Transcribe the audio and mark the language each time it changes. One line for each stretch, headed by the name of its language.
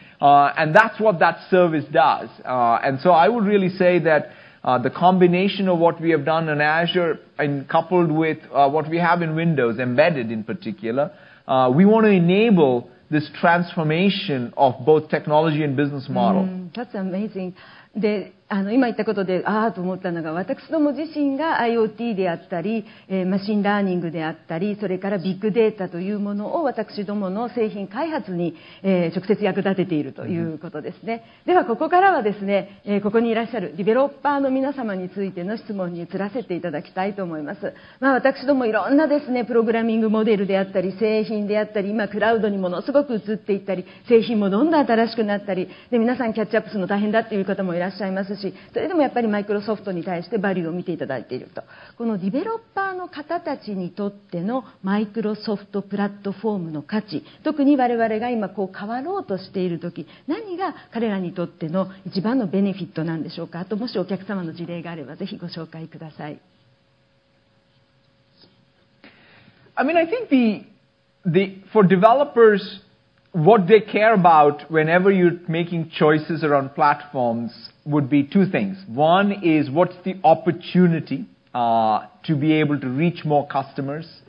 English: And that's what that service does. And so I would really say that the combination of what we have done in Azure and coupled with what we have in Windows, embedded in particular, we want to enable this transformation of both technology and business model. That's amazing.
Japanese: で、今言ったことで、ああと思ったのが、私ども自身が IoT であったり、マシンラーニングであったり、それからビッグデータというものを私どもの製品開発に、直接役立てているということですね。ではここからはですね、ここにいらっしゃるディベロッパーの皆様についての質問に移らせていただきたいと思います。まあ私どもいろんなですね、プログラミングモデルであったり、製品であったり、今クラウドにものすごく移っていったり、製品もどんどん新しくなったり、で皆さんキャッチアップするの大変だっていう方もいらっしゃいますし、それでもやっぱりマイクロソフトに対してバリューを見ていただいていると。このディベロッパーの方たちにとってのマイクロソフトプラットフォームの価値、特に我々が今こう変わろうとしているとき、何が彼らにとっての一番のベネフィットなんでしょうか。あともしお客様の事例があればぜひご紹介ください。
English: I mean, I think for developersWhat they care about whenever you're making choices around platforms would be two things. One is, what's the opportunity to be able to reach more customers?